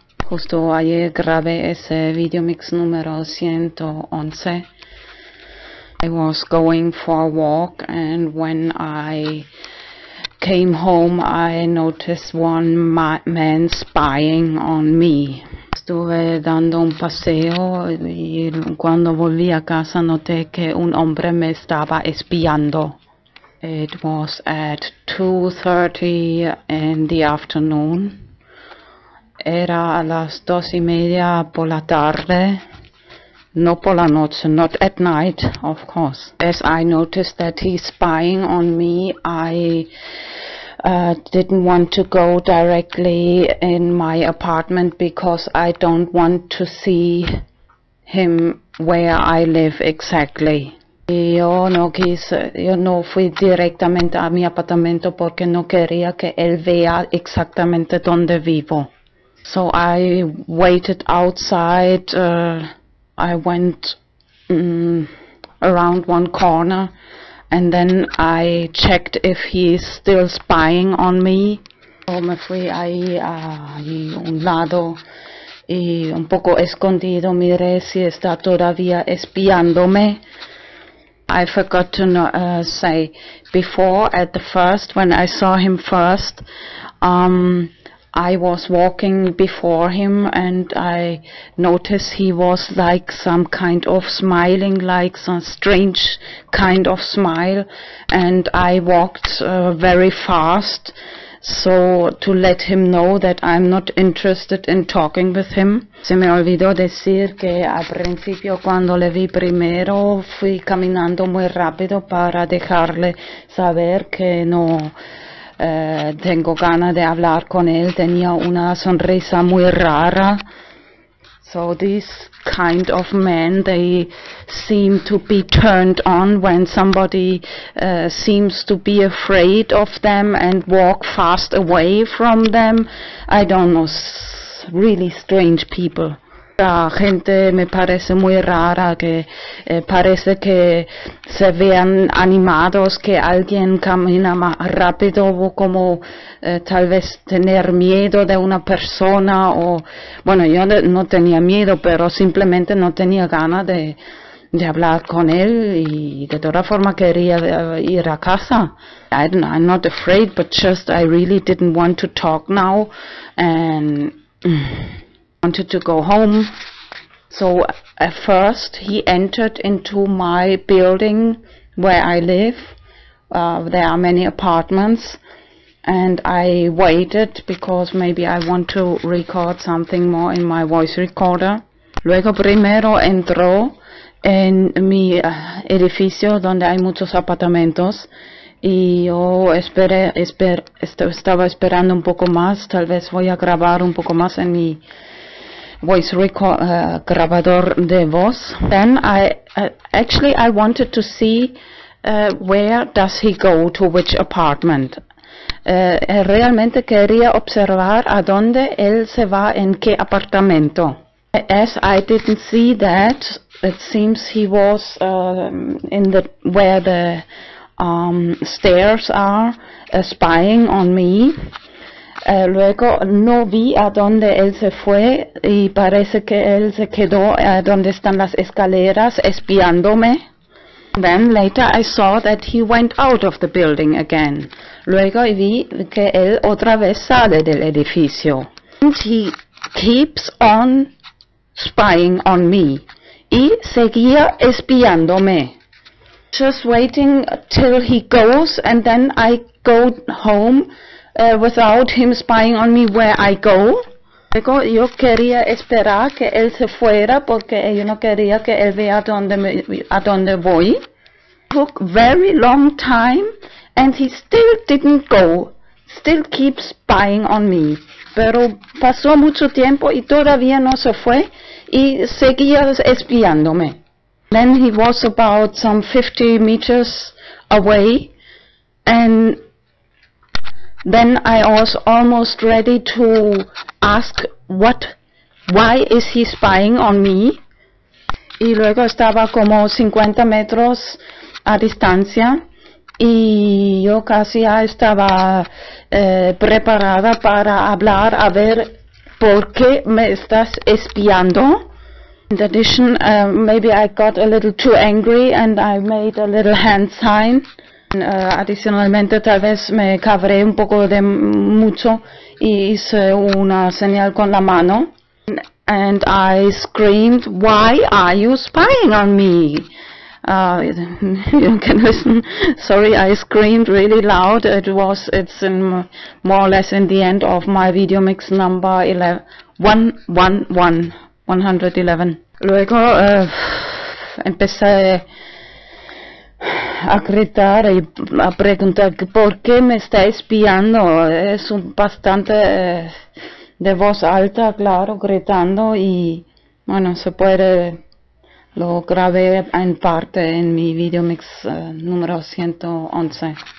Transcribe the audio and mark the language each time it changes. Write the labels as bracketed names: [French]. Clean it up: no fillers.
[Spanish] Justo ayer grabé ese video mix número 111. [English] I was going for a walk and when I came home, I noticed one man spying on me. [Spanish] Estuve dando un paseo y cuando volví a casa noté que un hombre me estaba espiando. [English] It was at 2:30 in the afternoon. [Spanish] Era a las 2:30 por la tarde. No por la noche, [English] not at night, of course. As I noticed that he's spying on me, I didn't want to go directly in my apartment because I don't want to see him where I live exactly. [Spanish] Yo no fui directamente a mi apartamento porque no quería que él vea exactamente donde vivo. [English] So I waited outside. I went around one corner and then I checked if he's still spying on me. [Spanish] Me fui ahí a un lado y un poco escondido miré si está todavía espiándome. [English] I forgot to say before, at the first, when I saw him first, I was walking before him and I noticed he was like some kind of smiling, like some strange kind of smile, and I walked very fast so to let him know that I'm not interested in talking with him. [Spanish] Se me olvidó decir que al principio cuando le vi primero fui caminando muy rápido para dejarle saber que no tengo ganas de hablar con él. Tenía una sonrisa muy rara. [English] So these kind of men, they seem to be turned on when somebody seems to be afraid of them and walk fast away from them. I don't know, really strange people. [Spanish] La gente me parece muy rara, que parece que se vean animados, que alguien camina más rápido, como tal vez tener miedo de una persona, o bueno, yo no tenía miedo, pero simplemente no tenía ganas de hablar con él, y de toda forma quería ir a casa. [English] I'm not afraid, but just I really didn't want to talk now, and wanted to go home. So at first he entered into my building where I live. There are many apartments and I waited because maybe I want to record something more in my voice recorder. [Spanish] Luego primero entró en mi edificio donde hay muchos apartamentos. Y yo estaba esperando un poco más. Tal vez voy a grabar un poco más en mi voice record, grabador de voz. [English] Then I wanted to see where does he go, to which apartment. [Spanish] Realmente quería observar a dónde él se va, en qué apartamento. [English] As I didn't see that, it seems he was in the where the stairs are, spying on me. [Spanish] Luego no vi a dónde él se fue y parece que él se quedó donde están las escaleras espiándome. [English] Then later I saw that he went out of the building again. [Spanish] Luego vi que él otra vez sale del edificio. [English] And he keeps on spying on me. [Spanish] Y seguía espiándome. [English] Just waiting till he goes and then I go home. Without him spying on me where I go. [Spanish] Luego yo quería esperar que él se fuera porque yo no quería que él vea a dónde voy. [English] Took very long time and he still didn't go. Still keeps spying on me. [Spanish] Pero pasó mucho tiempo y todavía no se fue y seguía espiándome. [English] Then he was about some 50 meters away and Then I was almost ready to ask what, why is he spying on me? [Spanish] Y luego estaba como 50 metros a distancia y yo casi ya estaba preparada para hablar a ver por qué me estás espiando. [English] In addition, maybe I got a little too angry and I made a little hand sign. [Spanish] Adicionalmente, tal vez me cabré un poco de mucho y hice una señal con la mano. [English] And I screamed, "Why are you spying on me?" You can listen. Sorry, I screamed really loud. It's in more or less in the end of my video mix number 111. [Spanish] Luego empecé a gritar y a preguntar por qué me está espiando. Es un bastante de voz alta, claro, gritando, y bueno, se puede, lo grabé en parte en mi video mix número 111.